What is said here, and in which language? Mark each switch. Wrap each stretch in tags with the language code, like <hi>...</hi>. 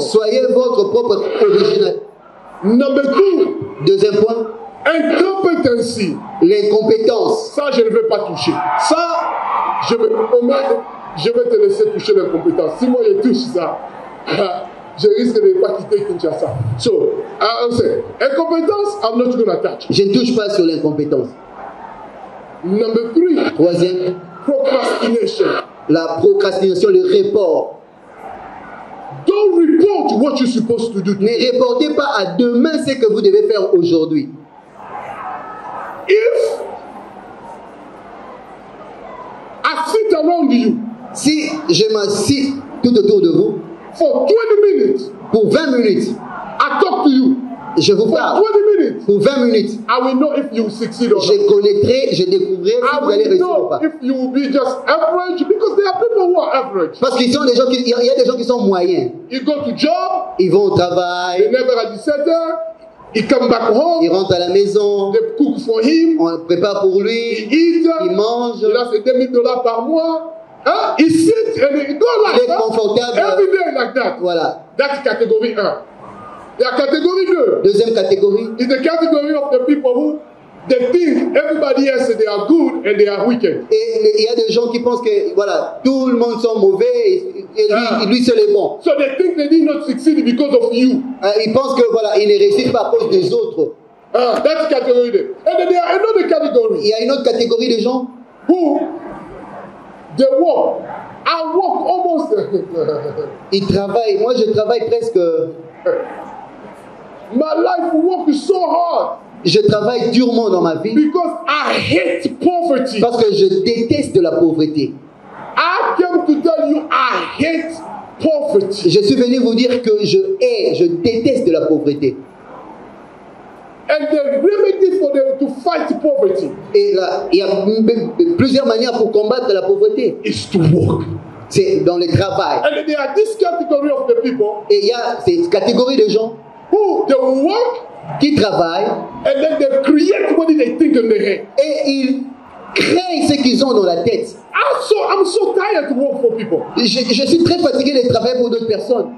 <fr>Soyez votre propre original.</fr> <en>Number two.</en> <fr>Deuxième point.</fr> <en>Incompetency.</en> <fr>L'incompétence. Ça, je ne vais pas toucher. Ça, je vais promettre. Je vais te laisser toucher l'incompétence. Si moi je touche ça, je risque de ne pas quitter Kinshasa.</fr> <en>So, I'll say, incompetence, I'm not going to touch.</en> <fr>Je ne touche pas sur l'incompétence.</fr> <en>Number three.</en> <fr>Troisième.</fr> <en>Procrastination.</en> <fr>La procrastination, le report.</fr> <en>Don't report what you're supposed to do.</en> <fr>Ne reportez pas à demain ce que vous devez faire aujourd'hui.</fr> <en>If I sit around you,</en> <fr>si je m'assis tout autour de vous,</fr> <en>for 20 minutes,</en> <fr>pour 20 minutes,</fr> <en>I talk to you,</en> <fr>je vous parle,</fr> <en>for 20 minutes,</en> <fr>pour 20 minutes,</fr> <en>I will know if you succeed or not.</en> <fr>Je connaîtrai, je découvrirai si vous allez réussir ou pas.</fr> <en>I will know if you will be just average, because there are people who are average.</en> <fr>Parce qu'il y a des gens qui, il y a des gens qui sont moyens.</fr> <en>You go to job,</en> <fr>ils vont au travail.</fr> <en>They never at 17h. He come back home.</en> <fr>Il rentre à la maison.</fr> <en>They cook for him.</en> <fr>On prépare pour lui.</fr> <en>He eat.</en> <fr>Il mange. Il a ses $2,000 par mois. Hein?</fr> <en>He sit and he go like</en> <fr>il est confortable.</fr> <en>Every day like that.</en> <fr>Voilà.</fr> <en>That's category 1.</en> <fr>Il y a catégorie 2. Deuxième catégorie.</fr> <en>Is the category of the people who they think everybody else they are good and they are wicked.</en> <fr>Et il y a des gens qui pensent que voilà, tout le monde sont mauvais et lui, yeah, lui seul est bon.</fr> <en>So they think they did not succeed because of you.</en> <fr>Ils pensent que voilà, ils ne réussissent pas à cause des autres.</fr> <en>That's category. And then there are another category.</en> <fr>Il y a une autre catégorie de gens</fr> <en>who they work. I work almost.</en> <fr>Ils travaillent. Moi, je travaille presque.</fr> <en>My life work so hard.</en> <fr>Je travaille durement dans ma vie.</fr> <en>Because I hate poverty.</en> <fr>Parce que je déteste la pauvreté.</fr> <en>I came to tell you I hate poverty.</en> <fr>Je suis venu vous dire que je hais, je déteste la pauvreté.</fr> <en>And the remedy for them to fight poverty.</en> <fr>Et là, il y a plusieurs manières pour combattre la pauvreté.</fr> <en>Is to work.</en> <fr>C'est dans le travail.</fr> <en>And there are this category of the people.</en> <fr>Et il y a cette catégorie de gens</fr> <en>who they work.</en> <fr>Qui travaillent.</fr> <en>And then they create what they think in their head.</en> <fr>Et ils créent ce qu'ils ont dans la tête.</fr> <en>I'm so tired to work for people.</en> <fr>Je suis très fatigué de travailler pour d'autres personnes.</fr>